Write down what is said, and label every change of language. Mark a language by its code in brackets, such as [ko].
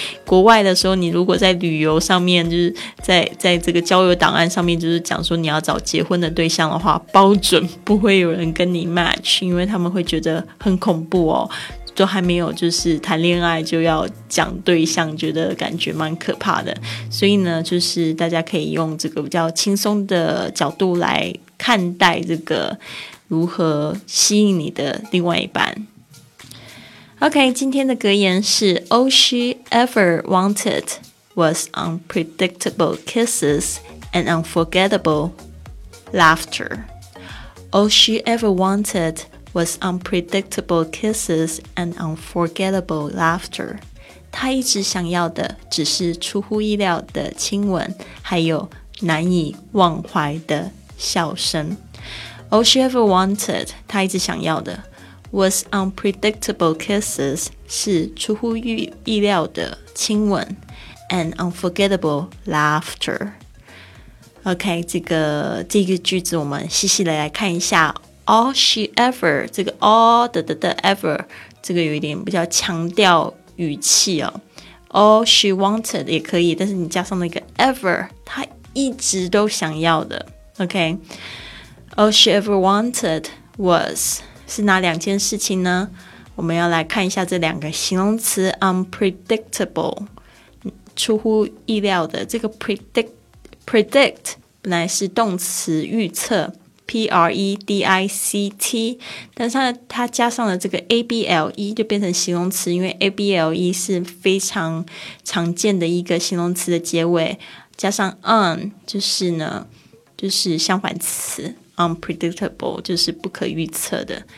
[zh] 国外的时候，你如果在旅游上面就是在这个交友档案上面就是讲说你要找结婚的对象的话，包准不会有人跟你 match， 因为他们会觉得很恐怖哦，都还没有就是谈恋爱就要讲对象，觉得感觉蛮可怕的。所以呢就是大家可以用这个比较轻松的角度来看待这个如何吸引你的另外一半。 [en] OK， [zh] 今天的格言是 [en] All she ever wanted was unpredictable kisses and unforgettable laughter. All she ever wantedwas unpredictable kisses and unforgettable laughter. [zh] 她一直想要的只是出乎意料的亲吻，还有难以忘怀的笑声。 [en] All she ever wanted, [zh] 她一直想要的 [en] was unpredictable kisses, [zh] 是出乎意料的亲吻 [en] and unforgettable laughter. [zh] OK, 这个句子我们细细的来看一下。 [en] All she ever, [zh] 这个 all 的 ever, 这个有一点比较强调语气哦。 [en] All she wanted [zh] 也可以，但是你加上那个 ever, 她一直都想要的。 [en] OK, all she ever wanted was, [zh] 是哪两件事情呢？我们要来看一下这两个形容词 unpredictable, 出乎意料的。这个 predict 本来是动词预测。 P-R-E-D-I-C-T， 但是它加上了这个 A-B-L-E 就变成形容词，因为 A-B-L-E 是非常常见的一个形容词的结尾，加上 un 就是呢就是相反词， unpredictable 就是不可预测的。